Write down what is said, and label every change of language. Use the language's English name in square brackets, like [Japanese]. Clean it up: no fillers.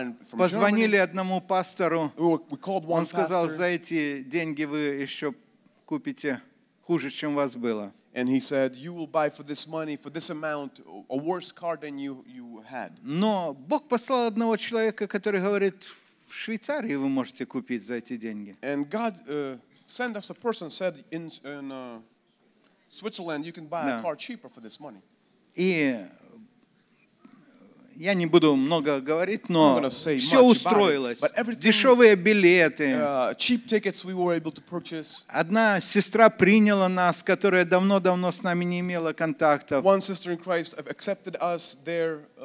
[Russian] Позвонили одному пастору. Он сказал, за эти деньги вы еще купите хуже, чем у вас было. [English] And he said, you will buy for this money, for this amount, a worse car than you had. [Russian] Но Бог послал одного человека, который говорит, в Швейцарии вы можете купить за эти деньги. [English] And God sent us a person, said, in Switzerland, you can buy a car cheaper for this money. [Russian] И я не буду много говорить, но все устроилось. Дешевые билеты. [English] Cheap tickets we were able to purchase. [Russian] Одна сестра приняла нас, которая давно-давно с нами не имела контактов. [English] One sister in Christ accepted us there.